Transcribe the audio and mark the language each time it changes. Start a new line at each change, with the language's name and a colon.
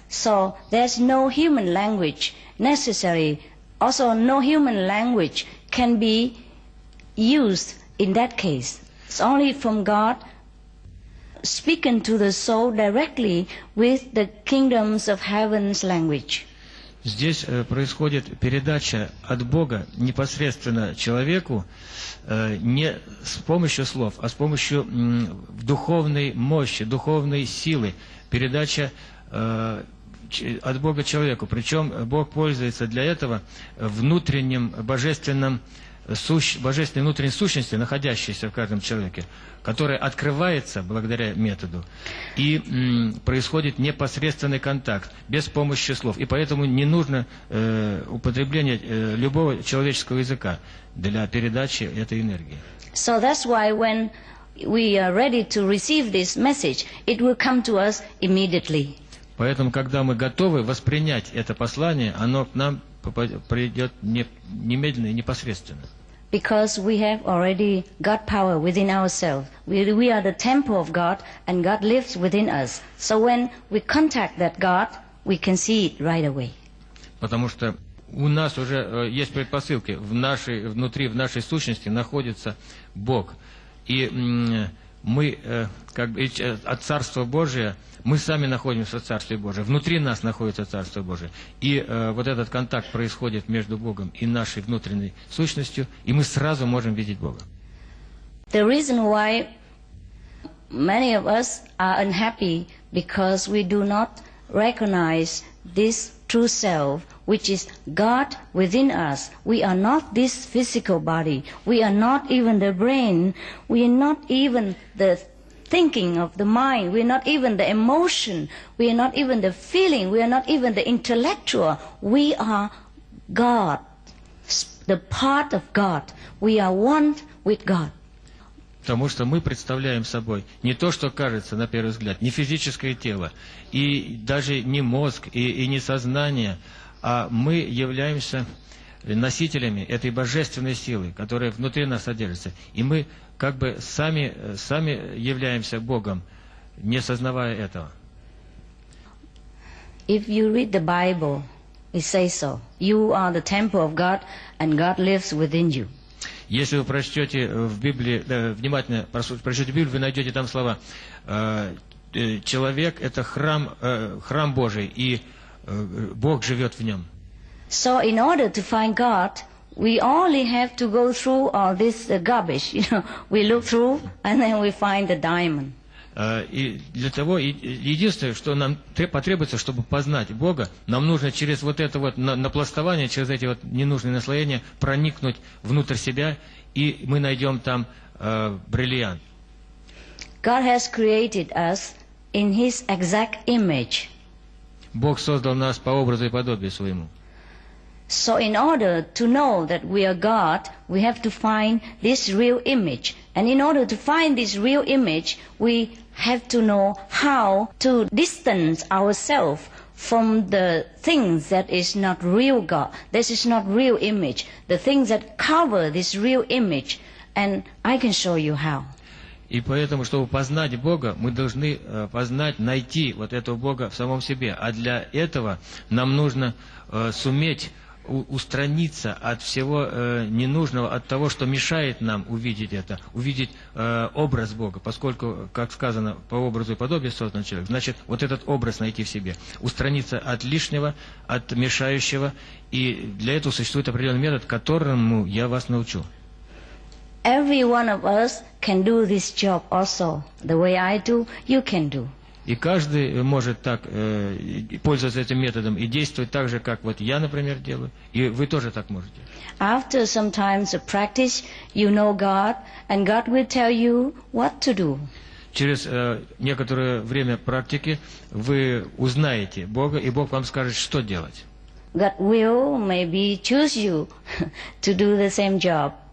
English: So there's no human language necessary. Also, no human language can be used in that case. It's only from God speaking to the soul directly with the kingdoms of heaven's language.
Russian: Здесь происходит передача от Бога непосредственно человеку не с помощью слов, а с помощью духовной мощи, духовной силы. Передача от Бога человеку. Причем Бог пользуется для этого внутренним божественным божественной внутренней сущности, находящейся в каждом человеке, которая открывается благодаря методу, и происходит непосредственный контакт, без помощи слов. И поэтому не нужно употребление любого человеческого языка для передачи этой энергии.
English: So that's why when we are ready to receive this message, it will come to us immediately.
Russian: Поэтому, когда мы готовы воспринять это послание, оно к нам придет немедленно и непосредственно.
English: Because we have already God power within ourselves. We are the temple of God, and God lives within us. So when we contact that God, we can see it right away.
Russian: Потому что у нас уже есть предпосылки. В нашей, внутри, в нашей сущности находится Бог. И мы, как бы, от Царства Божия, мы сами находимся в Царстве Божьем. Внутри нас находится Царство Божие. И вот этот контакт происходит между Богом и нашей внутренней сущностью, и мы сразу можем видеть Бога.
English: The reason why many of us are unhappy because we do not recognize this true self, which is God within us. We are not this physical body. We are not even the brain. We are not even the thinking of the mind. We are not even the emotion. We are not even the feeling. We are not even the intellectual. We are God, the part of God. We are one with God.
Russian: Потому что мы представляем собой не то, что кажется на первый взгляд, не физическое тело, и даже не мозг, и не сознание, а мы являемся носителями этой божественной силы, которая внутри нас содержится. И мы как бы сами являемся Богом, не сознавая этого.
English: If you read the Bible, it says so. You are the temple of God, and God lives within you.
Russian: Если вы прочтете в Библии, внимательно прочтете Библию, вы найдете там слова «Человек – это храм Божий, и Бог живет в нем».
English: So in order to find God, we only have to go through all this garbage. You know, we look through, and then we find the diamond.
Russian: И для того, единственное, что нам потребуется, чтобы познать Бога, нам нужно через вот это вот напластование, через эти вот ненужные наслоения проникнуть внутрь себя, и мы найдем там бриллиант.
English: God has created us in His exact image.
Russian: Бог создал нас по образу и подобию своему.
English: So in order to know that we are God, we have to find this real image. And in order to find this real image, we have to know how to distance ourselves from the things that is not real God. This is not real image. The things that cover this real image. And I can show you how.
Russian: И поэтому, чтобы познать Бога, мы должны познать, найти вот этого Бога в самом себе. А для этого нам нужно суметь устраниться от всего ненужного, от того, что мешает нам увидеть это, увидеть образ Бога, поскольку, как сказано, по образу и подобию создан человек, значит, вот этот образ найти в себе, устраниться от лишнего, от мешающего, и для этого существует определенный метод, которому я вас научу.
English: Every one of us can do this job also. The way I do, you can do.
Russian: И каждый может так пользоваться этим методом и действовать так же, как вот я, например, делаю, и вы тоже так можете.
English: After some time of practice, you know God, and God will tell you what to do.
Russian: Через некоторое время практики вы узнаете Бога, и Бог вам скажет, что делать.
English: God will maybe choose you to do the same job.